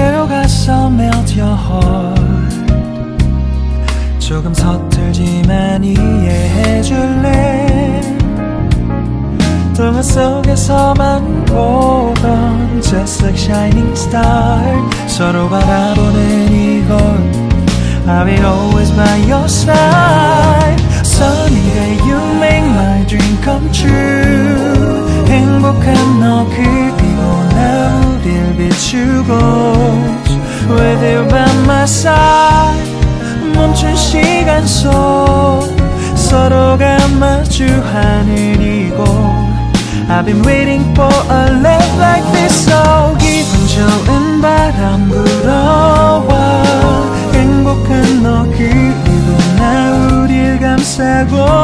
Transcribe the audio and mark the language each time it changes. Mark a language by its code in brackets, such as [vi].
[en] 가서 melt your heart. [ko] 조금 서툴지만 이해해줄래. 동화 속에서만 보던 [en] just like shining star. [ko] 서로 바라보는 이곳. [en] I'll be always by your side. Sunny day you make my dream come true. [ko] 행복한 너 그리고 나 우릴 비추고. [en] With you by my side. [ko] 멈춘 시간 속 서로가 마주하는 이곳. [en] I've been waiting for a love like this. [ko] So 기분 좋은 바람 불어와. 행복한 너 그리고 나 우릴 감싸고.